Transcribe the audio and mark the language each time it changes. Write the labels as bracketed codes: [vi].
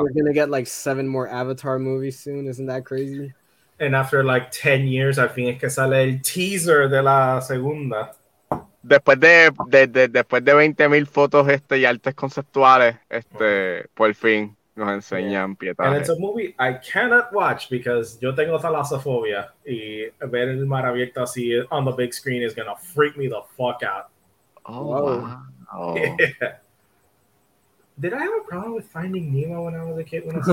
[en] we're gonna get like 7 more Avatar movies soon, isn't that crazy? And after like 10 years, I think [es] es que sale el teaser de la segunda. Después de 20,000 fotos y artes conceptuales, por fin nos enseñan Pietaje. [en] And it's a movie I cannot watch because [es] yo tengo [en] thalassophobia. [es] Y ver el mar abierto así [en] on the big screen is going to freak me the fuck out. Oh, wow. Did I have a problem with Finding Nemo when I was a kid?